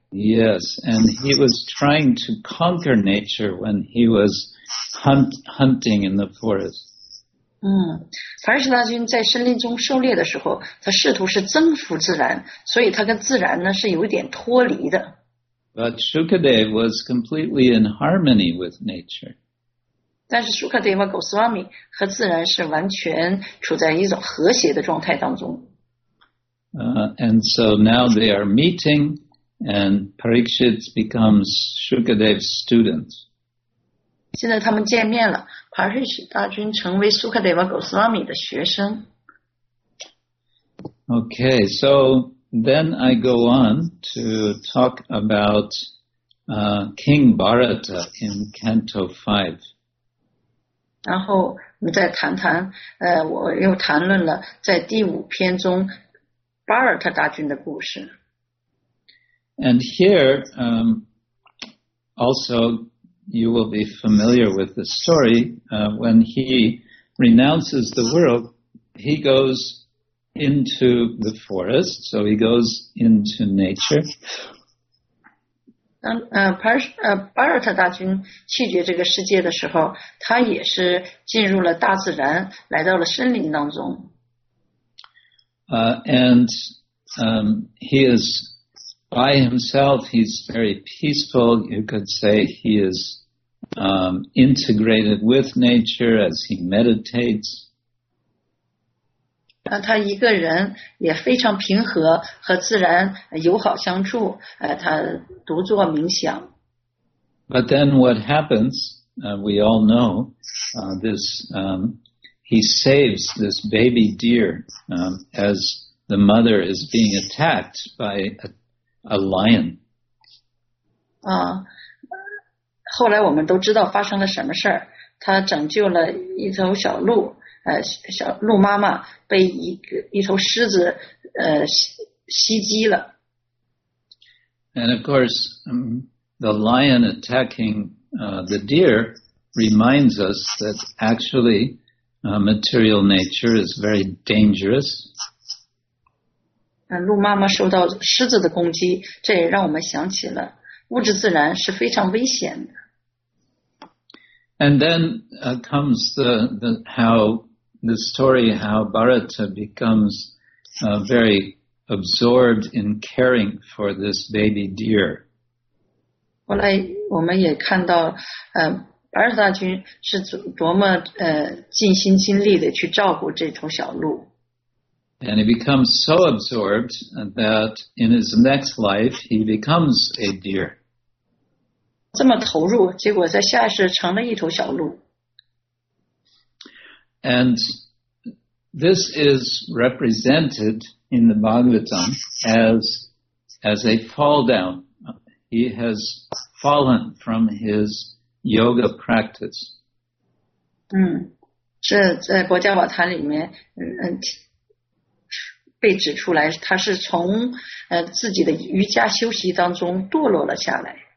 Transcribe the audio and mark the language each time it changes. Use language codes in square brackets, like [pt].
[en] Yes, and he was trying to conquer nature when he was hunting in the forest. [zh] Parishadajin 在森林中狩猎的时候，他试图是征服自然，所以他跟自然呢是有点脱离的。 [en] But Sukadeva was completely in harmony with nature. [zh] 但是 Sukadeva Goswami 和自然是完全处在一种和谐的状态当中。 [en] And so now they are meeting, and Parikshit becomes Sukadeva's student. [zh] 现在他们见面了。 Parikshit 大军成为 Sukadeva Goswami 的学生。 [en] Okay, so then I go on to talk about King Bharata in Canto 5. [zh] 然后我们再谈谈，我又谈论了在第五篇中 Bharata 大军的故事。 [en] And here, also, you will be familiar with the story. When he renounces the world, he goes into the forest, so he goes into nature. [zh] Bharata 大军弃绝这个世界的时候，他也是进入了大自然，来到了森林当中。 [en] He is by himself, he's very peaceful, you could say he is integrated with nature as he meditates. [zh] 他一个人也非常平和，和自然友好相处，他独坐冥想。 [en] But then what happens, we all know, he saves this baby deer as the mother is being attacked by a lion. [zh] 后来我们都知道发生了什么事儿，他拯救了一头小鹿，小鹿妈妈被一头狮子袭击了。 [en] And of course, the lion attacking the deer reminds us that actually material nature is very dangerous. [zh] 鹿妈妈受到狮子的攻击，这也让我们想起了物质自然是非常危险的。 [en] And then comes how Bharata becomes very absorbed in caring for this baby deer. [zh] 后来我们也看到，Bharata 大军是多么尽心尽力的去照顾这头小鹿。 [en] And he becomes so absorbed that in his next life he becomes a deer. [zh] 这么投入，结果在下世成了一头小鹿。 [en] And this is represented in the Bhagavatam as a fall down. He has fallen from his yoga practice. [zh] 这在国家宝坛里面，被指出来，他是从自己的瑜伽休息当中堕落了下来。